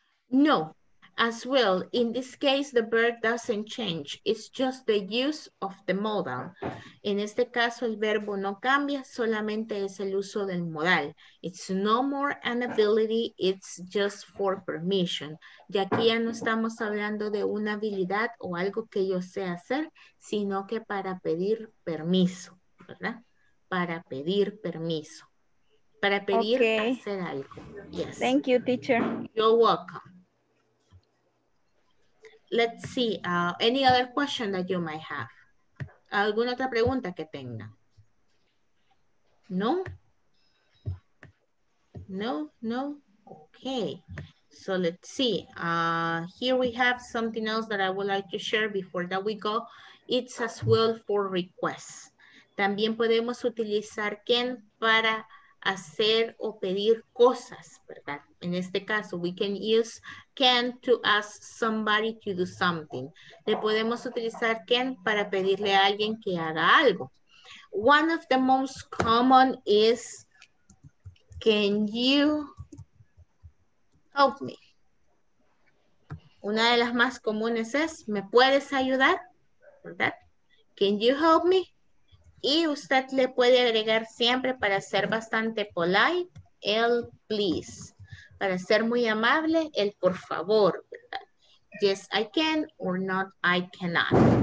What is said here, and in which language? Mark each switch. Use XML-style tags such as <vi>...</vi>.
<en>No, as well, in this case, the verb doesn't change. It's just the use of the modal.</en> <es>En este caso, el verbo no cambia, solamente es el uso del modal.</es> <en>It's no more an ability, it's just for permission.</en> <es>Y aquí ya no estamos hablando de una habilidad o algo que yo sé hacer, sino que para pedir permiso. ¿Verdad? Para pedir permiso. Para pedir hacer algo.</es> <en>Yes. Thank you, teacher. You're welcome. Let's see. Any other question that you might have?</en> <es>¿Alguna otra pregunta que tenga?</es> <en>No? No? No? Okay. So let's see. Here we have something else that I would like to share before that we go. It's as well for requests.</en> <es>También podemos utilizar can para hacer o pedir cosas, ¿verdad? En este caso,</es> <en>we can use can to ask somebody to do something.</en> <es>Le podemos utilizar can para pedirle a alguien que haga algo.</es> <en>One of the most common is, can you help me?</en> <es>Una de las más comunes es, ¿me puedes ayudar? ¿Verdad?</es> <en>Can you help me?</en> <es>Y usted le puede agregar siempre para ser bastante polite, el please. Para ser muy amable, el por favor.</es> <en>Yes, I can or not, I cannot.</en>